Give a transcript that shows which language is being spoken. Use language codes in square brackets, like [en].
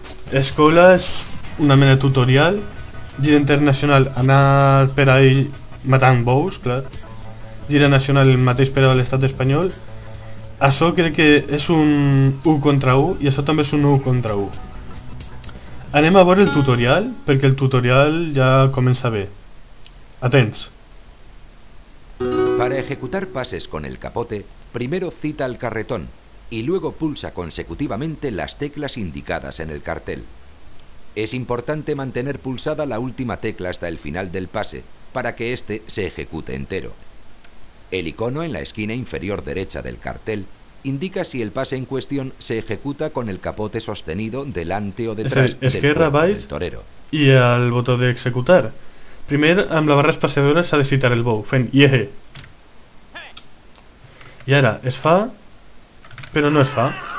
[ca] Escola és una mena de tutorial. Gira internacional, anar per ahí matant bous, clar. Gira nacional, el mateix per a l'estat espanyol. Això crec que és un 1 contra 1 i això també és un 1 contra 1. Anem a veure el tutorial, perquè el tutorial ja comença bé. Atents. [es] Para ejecutar pases con el capote, primero cita el carretón y luego pulsa consecutivamente las teclas indicadas en el cartel. Es importante mantener pulsada la última tecla hasta el final del pase, para que éste se ejecute entero. El icono en la esquina inferior derecha del cartel indica si el pase en cuestión se ejecuta con el capote sostenido delante o detrás del cuerpo del torero. Y al botón de ejecutar. [ca] Primero, amb la barra espaciadora s'ha de citar el bou, fent yeje. [es] Y ahora, [ca] es fa, [es] pero [ca] no es fa.